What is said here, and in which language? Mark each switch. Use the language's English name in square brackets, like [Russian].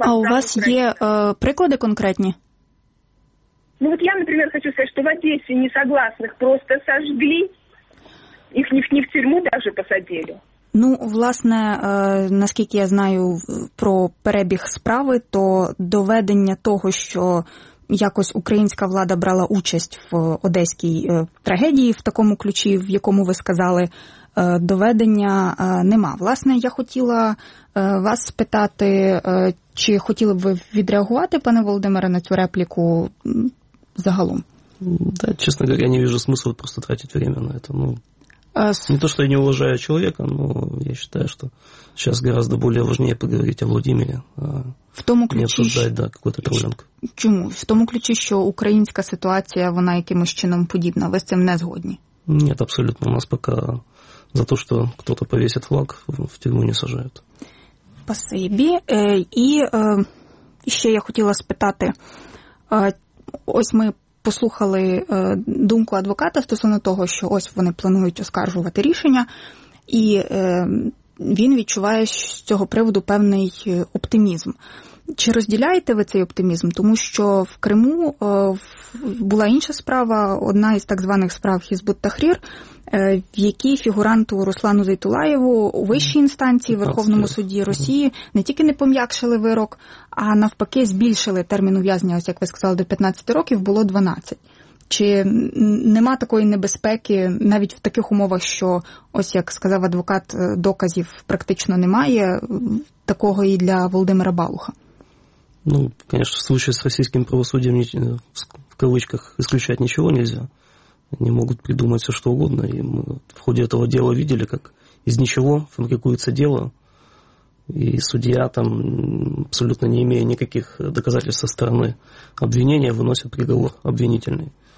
[Russian] А у вас есть приклады конкретные? Ну вот я, например, хочу сказать, что в Одессе несогласных просто сожгли, их не в тюрьму даже посадили. [Ukrainian] Ну, власне, наскільки я знаю про перебіг справи, то доведення того, що якось українська влада брала участь в одеській трагедії в такому ключі, в якому ви сказали, доведення нема. Власне, я хотіла вас спитати, чи хотіли б ви відреагувати, пане Володимире, на цю репліку загалом? [Russian] Да, честно говоря, я не вижу смысла просто тратить время на это. Ну, не то, что я не уважаю человека, но я считаю, что сейчас гораздо более важнее поговорить о Владимире, [Ukrainian] в тому ключі, [Russian] не обсуждать, да, какой-то троллинг. [Ukrainian] Чому? В тому ключі, що українська ситуація, вона якимось чином подібна. Ви з цим не згодні? [Russian] Нет, абсолютно. У нас пока за то, что кто-то повесит флаг, в тюрьму не сажают. [Ukrainian] Спасибі. І ще я хотіла спитати. Ось ми послухали думку адвоката стосовно того, що ось вони планують оскаржувати рішення, і він відчуває з цього приводу певний оптимізм. Чи розділяєте ви цей оптимізм? Тому що в Криму була інша справа, одна із так званих справ Хізбут-Тахрір, в якій фігуранту Руслану Зайтулаєву у вищій інстанції, Верховному суді Росії, не тільки не пом'якшили вирок, а навпаки збільшили термін ув'язнення, ось як ви сказали, до 15 років, було 12. Чи нема такої небезпеки навіть в таких умовах, що, ось як сказав адвокат, доказів практично немає, такого і для Володимира Балуха? [Russian] Ну, конечно, в случае с российским правосудием в кавычках исключать ничего нельзя. Они могут придумать все что угодно. И мы в ходе этого дела видели, как из ничего фабрикуется дело. И судья там, абсолютно не имея никаких доказательств со стороны обвинения, выносит приговор обвинительный.